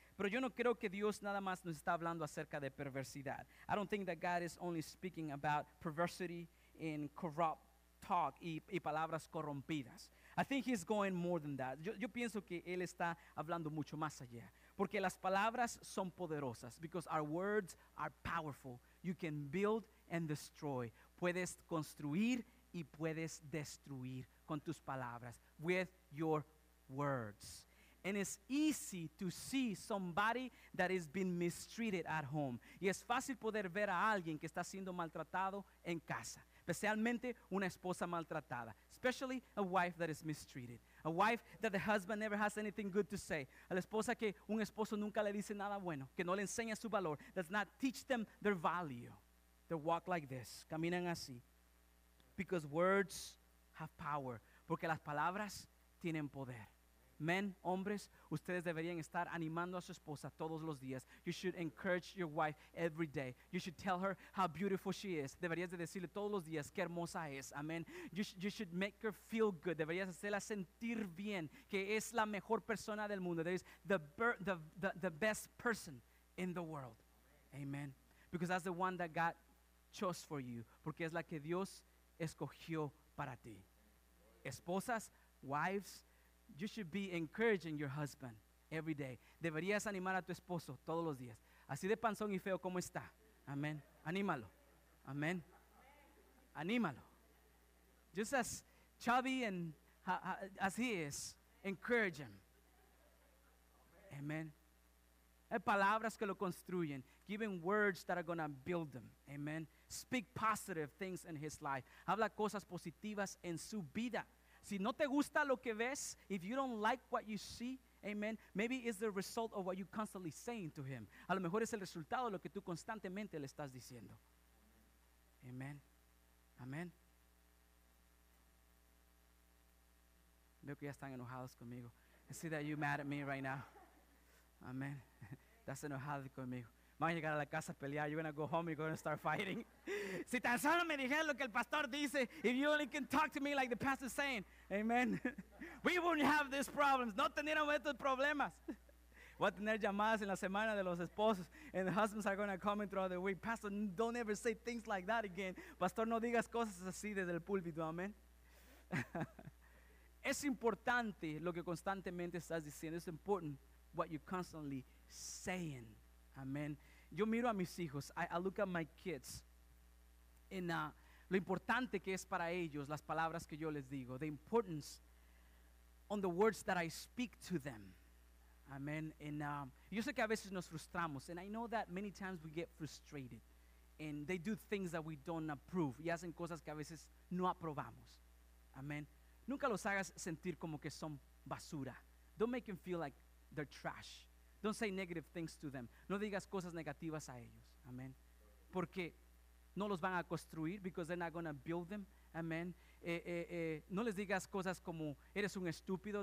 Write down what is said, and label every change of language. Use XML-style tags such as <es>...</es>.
<es>Pero yo no creo que Dios nada más nos está hablando acerca de perversidad.</es> <en>I don't think that God is only speaking about perversity and corrupt talk</en> <es>y palabras corrompidas.</es> <en>I think he's going more than that.</en> <es>Yo pienso que Él está hablando mucho más allá. Porque las palabras son poderosas.</es> <en>Because our words are powerful. You can build and destroy.</en> <es>Puedes construir y puedes destruir con tus palabras.</es> <en>With your words. And it's easy to see somebody that is being mistreated at home.</en> <es>Y es fácil poder ver a alguien que está siendo maltratado en casa. Especialmente una esposa maltratada.</es> <en>Especially a wife that is mistreated. A wife that the husband never has anything good to say.</en> <es>A la esposa que un esposo nunca le dice nada bueno. Que no le enseña su valor.</es> <en>Does not teach them their value. They walk like this.</en> <es>Caminan así.</es> <en>Because words have power.</en> <es>Porque las palabras tienen poder. Men, hombres, ustedes deberían estar animando a su esposa todos los días.</es> <en>You should encourage your wife every day. You should tell her how beautiful she is.</en> <es>Deberías de decirle todos los días qué hermosa es. Amen.</es> <en>You should make her feel good.</en> <es>Deberías hacerla sentir bien, que es la mejor persona del mundo.</es> <en>There is the best person in the world. Amen. Because that's the one that God chose for you.</en> <es>Porque es la que Dios escogió para ti.</es> <en>Esposas, wives, you should be encouraging your husband every day.</en> <es>Deberías animar a tu esposo todos los días. Así de panzón y feo como está. Amén. Anímalo. Amén. Anímalo.</es> <en>Just as chubby and as he is, encourage him. Amén.</en> <es>Hay palabras que lo construyen.</es> <en>Giving words that are going to build them. Amén. Speak positive things in his life.</en> <es>Habla cosas positivas en su vida. Si no te gusta lo que ves,</es> <en>if you don't like what you see, amen, maybe it's the result of what you're constantly saying to him.</en> <es>A lo mejor es el resultado de lo que tú constantemente le estás diciendo. Amen. Amen. Veo que ya están enojados conmigo.</es> <en>I see that you're mad at me right now.</en> <es>Amen. Estás enojado conmigo. Van a llegar a la casa a pelear.</es> <en>You're going to go home. You're going to start fighting.</en> <es>Si tan solo me dijeras lo que el pastor dice,</es> <en>if you only can talk to me like the pastor is saying, amen, we wouldn't have these problems.</en> <es>No teníamos estos problemas. Voy a tener llamadas en la semana de los esposos.</es> <en>And the husbands are going to come in throughout the week. Pastor, don't ever say things like that again.</en> <es>Pastor, no digas cosas así desde el púlpito. Amen. Es importante lo que constantemente estás diciendo.</es> <en>It's important what you're constantly saying.</en> <es>Amen. Yo miro a mis hijos.</es> <en>I look at my kids.</en> <es>And lo importante que es para ellos las palabras que yo les digo.</es> <en>The importance on the words that I speak to them. Amen. And</en> <es>yo sé que a veces nos frustramos,</es> <en>and I know that many times we get frustrated, and they do things that we don't approve.</en> <es>Y hacen cosas que a veces no aprobamos. Amen. Nunca los hagas sentir como que son basura.</es> <en>Don't make them feel like they're trash. Don't say negative things to them.</en> <es>No digas cosas negativas a ellos. Amen. Porque no los van a construir,</es> <en>because they're not going to build them. Amen.</en> <es>No les digas cosas como eres un estúpido.</es>